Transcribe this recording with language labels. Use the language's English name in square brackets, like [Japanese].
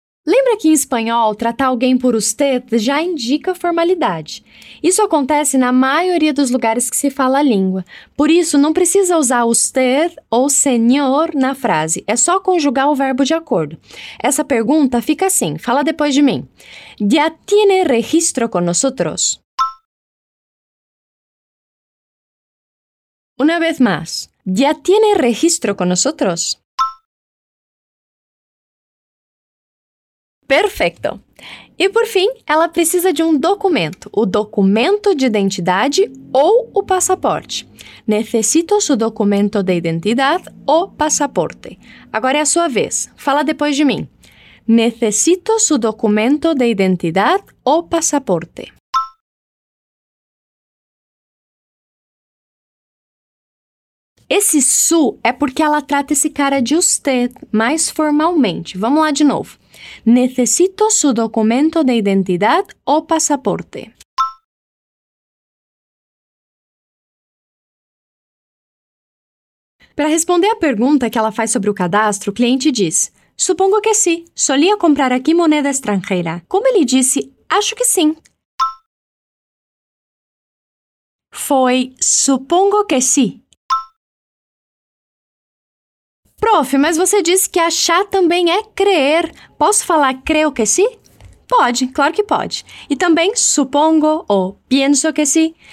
[Portuguese] Lembra que em espanhol, tratar alguém por usted já indica formalidade. Isso acontece na maioria dos lugares que se fala a língua. Por isso, não precisa usar usted ou senhor na frase. É só conjugar o verbo de acordo. Essa pergunta fica assim. Fala depois de mim. [Spanish] ¿Ya tiene registro con nosotros? Una vez más. ¿Ya tiene registro con nosotros? [Portuguese] Perfeito! E por fim, ela precisa de um documento, o documento de identidade ou o passaporte. [Spanish] Necesito su documento de identidad o pasaporte. [Portuguese] Agora é a sua vez, fala depois de mim. [Spanish] Necesito su documento de identidad o pasaporte. [Portuguese] Esse su é porque ela trata esse cara de usted, mais formalmente. Vamos lá de novo. [Spanish] Necesito su documento de identidad o pasaporte. [Portuguese] Para responder a pergunta que ela faz sobre o cadastro, o cliente diz: [Spanish] Supongo que sí. Solía comprar aquí moneda extranjera. [Portuguese] Como ele disse, acho que sim. Foi [Spanish] supongo que sí. [Portuguese] Prof, mas você disse que achar também é crer. Posso falar [Spanish] creo que sí? [Portuguese] Pode, claro que pode. E também supongo ou pienso que sí.